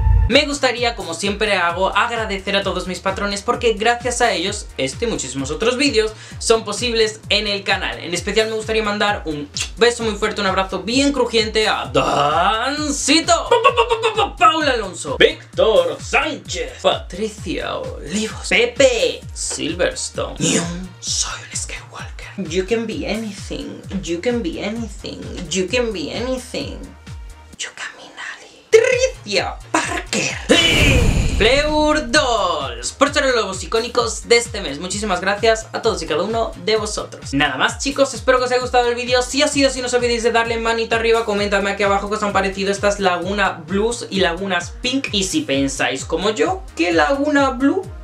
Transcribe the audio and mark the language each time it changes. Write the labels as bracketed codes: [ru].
[es] Me gustaría, como siempre hago, agradecer a todos mis patrones porque gracias a ellos, este y muchísimos otros vídeos son posibles en el canal. En especial me gustaría mandar un beso muy fuerte, un abrazo bien crujiente a Dancito, Paula Alonso, Víctor Sánchez, Patricia Olivos, Pepe Silverstone, y un soy un Skywalker. [en] You can be anything, you can be anything, you can be anything, you can be Nali. [es] Patricia Parker, Fleur Dolls, por ser los lobos icónicos de este mes. Muchísimas gracias a todos y cada uno de vosotros. Nada más, chicos, espero que os haya gustado el vídeo. Si ha sido así, no os olvidéis de darle manita arriba. Comentadme aquí abajo qué os han parecido estas Laguna Blues y Lagunas Pink. Y si pensáis como yo, que Laguna Blue